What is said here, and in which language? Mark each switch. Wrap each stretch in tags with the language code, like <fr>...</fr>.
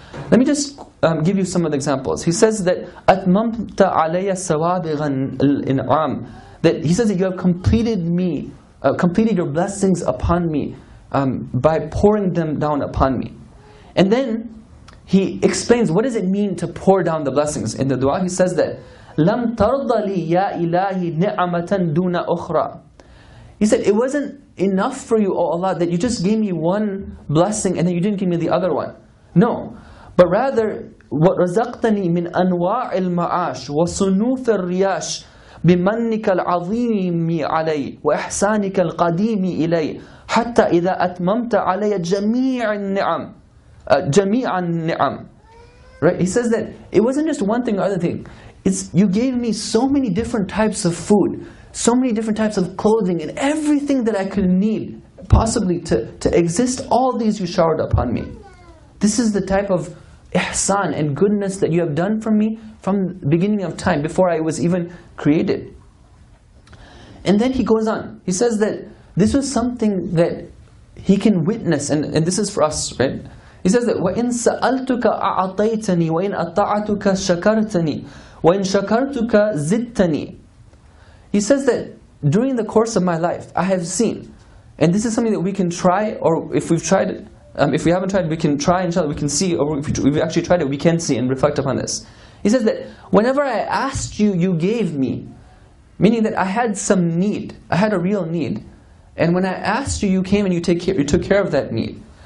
<en>Let me just give you some of the examples. He says that</en> <ar>أَتْمَمْتَ عَلَيَّ سَوَابِغَ الْإِنْعَامِ,</ar> <en>that he says that you have completed your blessings upon me by pouring them down upon me. And then he explains what does it mean to pour down the blessings. In the dua he says that</en> <ar>لَمْ تَرْضَ لِي يَا إِلَهِ نِعْمَةً دُونَ أُخْرَى.</ar> <en>He said, it wasn't enough for you, O Allah, that you just gave me one blessing and then you didn't give me the other one. No. But rather,</en> <ar>وَرَزَقْتَنِي مِنْ أَنْوَاعِ الْمَعَاشِ وَصُنُوفِ الرِّيَاشِ بمنك العظيم علي وإحسانك القديم إلي حتى إذا أتممت علي جميع النعم جميع النعم.</ar> <en>Right? He says that it wasn't just one thing or other thing. It's you gave me so many different types of food, so many different types of clothing, and everything that I could need possibly to exist. All these you showered upon me. This is the type of ihsan and goodness that you have done for me from the beginning of time, before I was even created. And then he goes on. He says that this was something that he can witness, and this is for us, right? He says that</en> <ar>وَإِن سَأَلْتُكَ أَعَطَيْتَنِي وَإِن أَطَعَتُكَ شَكَرْتَنِي وَإِن شَكَرْتُكَ زِدْتَنِي.</ar> <en>He says that during the course of my life, I have seen, and this is something that we can try, or if we've tried, if we haven't tried, we can try, inshallah, we can see, or if we've actually tried it, we can see and reflect upon this. He says that whenever I asked you, you gave me, meaning that I had some need, I had a real need, and when I asked you, you came and you took care of that need.</en>